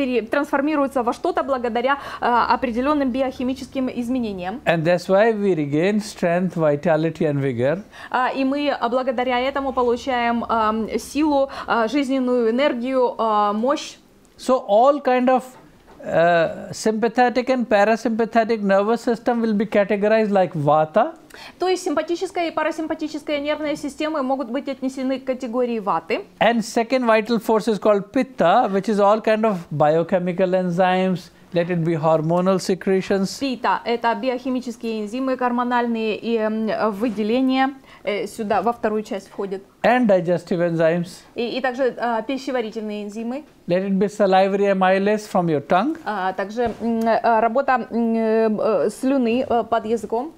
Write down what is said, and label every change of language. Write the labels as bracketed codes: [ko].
[ru] Трансформируется во что-то благодаря определенным биохимическим изменениям. [en] And that's why we regain strength, vitality and vigor. [ru] И мы благодаря этому получаем силу, жизненную энергию, мощь. [en] So all kind of sympathetic and parasympathetic nervous system will be categorized like vata. [ru] То есть симпатическая и парасимпатическая нервные системы могут быть отнесены к категории ваты. [en] And second vital force is called pitta, which is all kind of biochemical enzymes. Let it be hormonal secretions. [ru] Питта – это биохимические энзимы, гормональные и выделения. Сюда во вторую часть входит. [en] And digestive enzymes. [ru] И также пищеварительные энзимы. [en] Let it be salivary amylase from your tongue. [ru] Также работа слюны под языком.